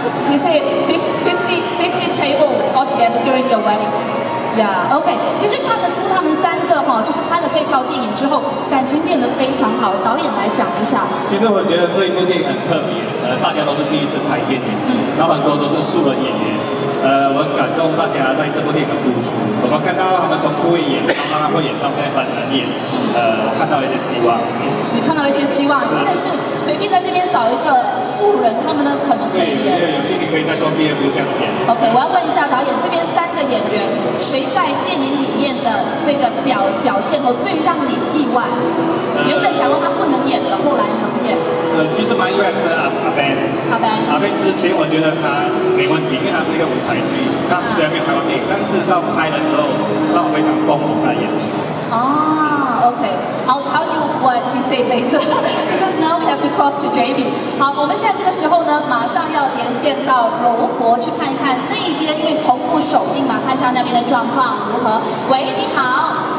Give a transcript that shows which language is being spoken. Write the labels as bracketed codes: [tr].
[en] You say 50 tables altogether during your wedding. Yeah, okay. [zh] 其实看得出他们三个哈，就是拍了这套电影之后，感情变得非常好。导演来讲一下。其实我觉得这一部电影很特别，大家都是第一次拍电影，那很多都是素人演员。我很感动大家在这部电影的付出。我们看到他们从不会演到慢慢会演到现在很能演，我看到了一些希望。你看到了一些希望，真的是随便在这边找一个素人，他们的可能可以演。对，有幸你可以再做第二部这样演。 OK， 我要问一下导演，这边三个演员谁在电影里面的这个表现后最让你意外？原本想说他不能演的，后来能演。其实蛮意外的是阿 Ben 之前我觉得他没问题，因为他是一个舞台剧，他虽然没有拍完电影，但是到拍了之后让我非常疯狂的演出。 [en] OK， I'll tell you what he said later because now we have to cross to Jamie。 [zh] 好，我们现在这个时候呢马上要连线到柔佛去看一看那一边，因为同步首映嘛，看一下那边的状况如何。喂，你好。